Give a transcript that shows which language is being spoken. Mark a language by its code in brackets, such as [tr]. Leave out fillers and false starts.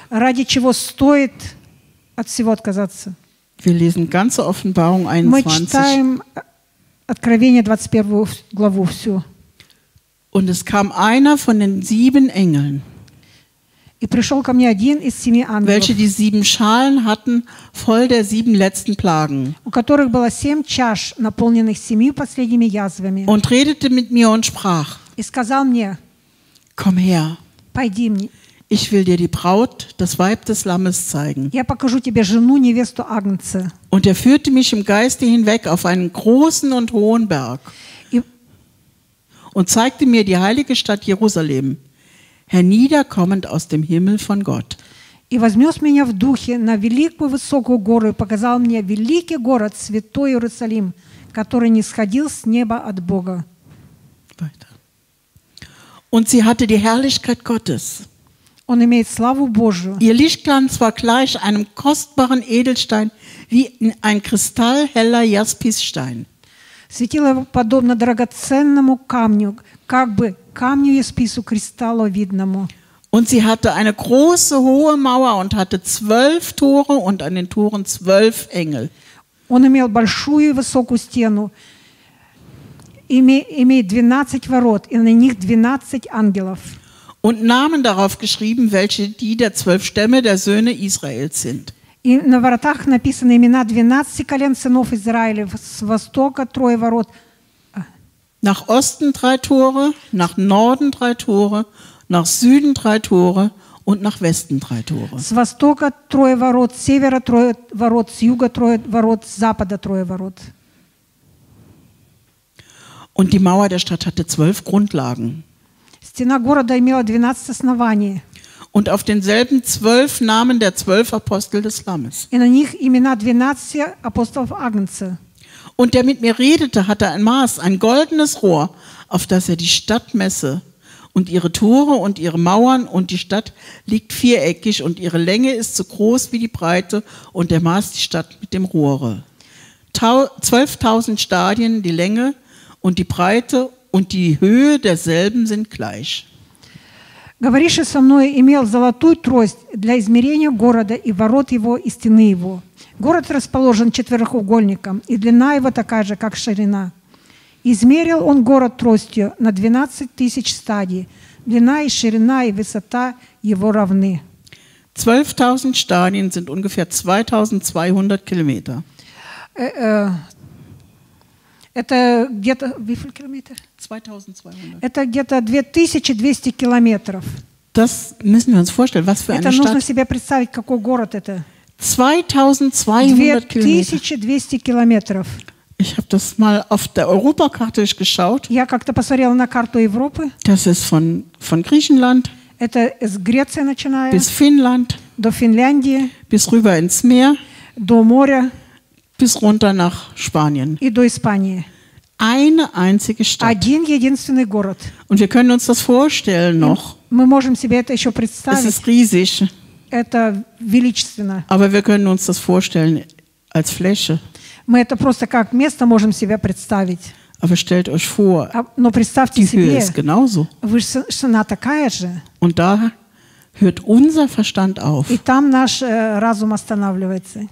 [ru] Ради чего стоит от всего отказаться. [de] Wir lesen ganze Offenbarung 21. [ru] Мы читаем Откровение 21 главу всю. [de] Und es kam einer von den sieben Engeln. [ru] И пришел ко мне один из семи ангелов. [de] Welche die sieben Schalen hatten voll der sieben letzten Plagen. [ru] У которых было семь чаш, наполненных семью последними язвами. [de] Und redete mit mir und sprach. [ru] И сказал мне. [de] Komm her. [ru] Пойди мне. [de] Ich will dir die Braut, das Weib des Lammes zeigen. [ru] Я покажу тебе жену, невесту Агнца. [de] Und er führte mich im Geiste hinweg auf einen großen und hohen Berg. Und zeigte mir die heilige Stadt Jerusalem, herniederkommend aus dem Himmel von Gott. [ru] И вознес меня в духе на великую высокую гору и показал мне великий город, святой Иерусалим, который нисходил с неба от Бога. [de] Weiter. Und sie hatte die Herrlichkeit Gottes. [ru] Он имеет славу Божию. [de] Ihr Lichtglanz war gleich einem kostbaren Edelstein, wie ein kristallheller Jaspisstein. [ru] Светило подобно драгоценному камню, как бы камню Яспису кристалловидному. [de] Und sie hatte eine große hohe Mauer und hatte 12 Tore und an den Toren 12 Engel. [ru] Он имел большую высокую стену, имеет 12 ворот, и на них 12 ангелов. [de] Und Namen darauf geschrieben, welche die der 12 Stämme der Söhne Israels sind. [ru] И на воротах написаны имена 12 колен сынов Израилев, с востока трое ворот. [de] Nach Osten 3 Tore, nach Norden 3 Tore, nach Süden 3 Tore und nach Westen 3 Tore. [ru] С востока трое ворот, с севера трое ворот, с юга трое ворот, с запада трое ворот. [de] Und die Mauer der Stadt hatte 12 Grundlagen. [ru] Стена города имела 12 оснований. [de] Und auf denselben 12 Namen der 12 Apostel des Lammes. [ru] И на них имена 12 апостолов Агнца. [de] Und der mit mir redete, hatte ein Maß, ein goldenes Rohr, auf das die Stadt messe. Und ihre Tore und ihre Mauern und die Stadt liegt viereckig und ihre Länge ist so groß wie die Breite und der maß die Stadt mit dem Rohre. 12.000 Stadien die Länge und die Breite und die Höhe derselben sind gleich. [ru] Говоривший со мной имел золотую трость для измерения города и ворот его и стены его. Город расположен четырехугольником, и длина его такая же, как ширина. Измерил он город тростью на 12 тысяч стадий. Длина и ширина и высота его равны. [de] 12.000 [ru] стадий [de] sind ungefähr 2200 [ru] километров. Это где-то... [de] Wie viel Kilometer? 2200. [ru] Это где-то 2200 километров. [de] Das müssen wir uns vorstellen, was für eine Stadt. [ru] Это нужно себе представить, какой город это. 2200 километров. [de] Ich habe das mal auf der Europakarte geschaut. [ru] Я как-то посмотрела на карту Европы. [de] Das ist von Griechenland. [ru] Это с Греции начиная. [de] Bis Finnland. [ru] До Финляндии. [de] Bis rüber ins Meer. [ru] До моря. [de] Bis runter nach Spanien. [ru] И до Испании. [de] Eine einzige Stadt. [ru] Один единственный город. [de] Und wir können uns das vorstellen noch. [ru] Мы можем себе это еще представить. [de] Es ist riesig. [ru] Это величественно. [de] Aber wir können uns das vorstellen als Fläche. [ru] Мы это просто как место можем себе представить. [de] Aber stellt euch vor, [ru] но представьте [de] die [ru] себе, [de] Höhe ist genauso. [ru] Высота такая же. [de] Und da hört unser Verstand auf. [ru] И там наш разум останавливается.